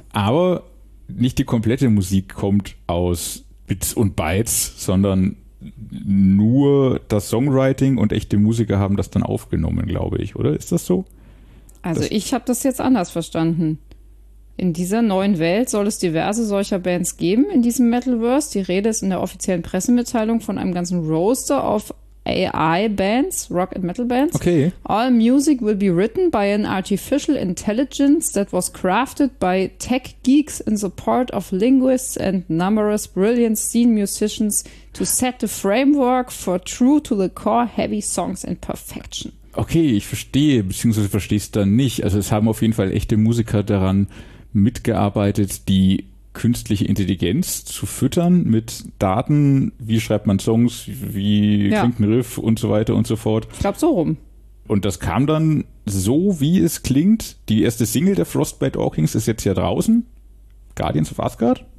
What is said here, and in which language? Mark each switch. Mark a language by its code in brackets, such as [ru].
[de] Aber nicht die komplette Musik kommt aus Bits und Bytes, sondern nur das Songwriting und echte Musiker haben das dann aufgenommen, glaube ich, oder? Ist das so? Also ich habe das jetzt anders verstanden. In dieser neuen Welt soll es diverse solcher Bands geben, in diesem Metalverse. Die Rede ist in der offiziellen Pressemitteilung von einem ganzen Roster of AI-Bands, Rock- and Metal-Bands. Okay. [en] All music will be written by an artificial intelligence that was crafted by tech geeks in support of linguists and numerous brilliant scene musicians to set the framework for true to the core heavy songs in perfection. [de] Okay, ich verstehe, beziehungsweise verstehe es dann nicht. Also es haben auf jeden Fall echte Musiker daran mitgearbeitet, die künstliche Intelligenz zu füttern mit Daten, wie schreibt man Songs, wie klingt ein Riff und so weiter und so fort. Ich glaube so rum. Und das kam dann so, wie es klingt. Die erste Single der Frostbite Orkings ist jetzt ja draußen. Guardians of Asgard?